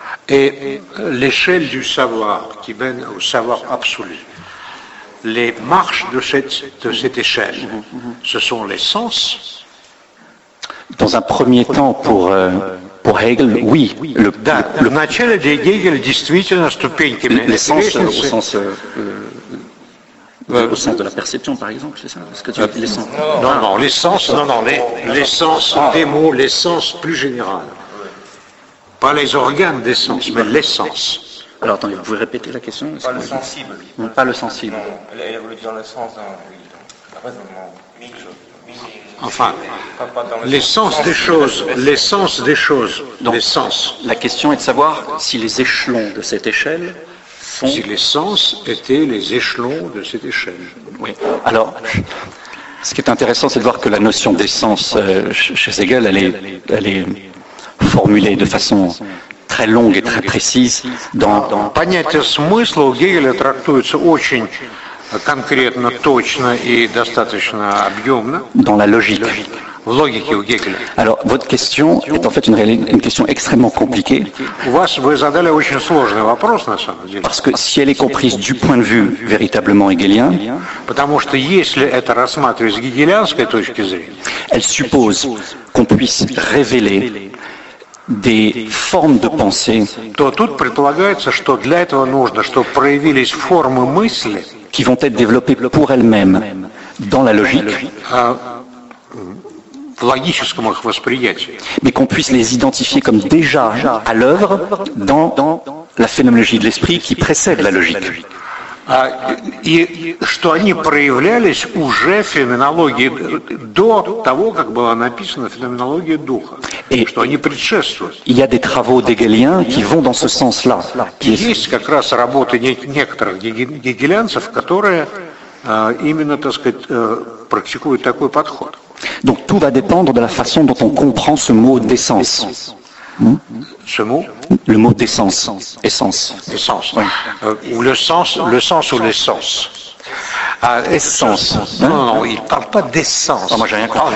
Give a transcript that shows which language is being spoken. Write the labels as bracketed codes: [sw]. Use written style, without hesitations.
[fr] Et l'échelle du savoir qui mène au savoir absolu, les marches de cette échelle, ce sont les sens. Dans un premier temps, pour Hegel, oui. Le [ru] начало для Гегеля действительно ступеньки. [fr] Les sens au sens au sens de la perception, par exemple, c'est ça? Est-ce que tu as les sens? Non, les sens des mots, les sens plus général. Pas les organes des sens, mais l'essence. Alors attendez, vous répétez la question? Pas le sensible. Pas le sensible. Elle a voulu dire le sens d'un raisonnement. Enfin, l'essence des choses. Donc, l'essence. La question est de savoir si les échelons de cette échelle sont... Si les sens étaient les échelons de cette échelle. Oui. Alors... Ce qui est intéressant, c'est de voir que la notion d'essence chez Hegel, elle est formulée de façon très longue et très précise dans... [ru] Понятие смысла у Гегеля трактуется очень конкретно, точно и достаточно объемно. [fr] Dans la logique. [ru] В логике у Гегеля. [fr] Alors, votre question est en fait une question extrêmement compliquée. [ru] Вы задали очень сложный вопрос, на самом деле. [fr] Parce que si elle est comprise du point de vue véritablement hegelien, [ru] потому что если это рассматривать с гегелянской точки зрения, [fr] elle suppose qu'on puisse révéler des formes de pensée, [ru] то тут предполагается, что для этого нужно, чтобы проявились формы мысли, [fr] qui vont être développées pour elles-mêmes dans la logique, [ru] в логическом их восприятии, [fr] mais qu'on puisse les identifier comme déjà à l'œuvre dans la phénoménologie de l'esprit qui précède la logique. [ru] И что они проявлялись уже в феноменологии до того, как была написана феноменология духа. [fr] Et [ru] что они предшествуют. [fr] Il y a des travaux d'Hegeliens qui vont dans ce sens-là. [ru] Есть как раз работы некоторых гегелянцев, которые именно, так сказать, практикуют такой подход. [fr] Donc tout va dépendre de la façon dont on comprend ce mot d'essence. Ce mot? Le mot d'essence. Essence. Ou le sens ou l'essence. Ah, essence. Non, il ne parle pas d'essence. Oh, moi, j'ai rien compris.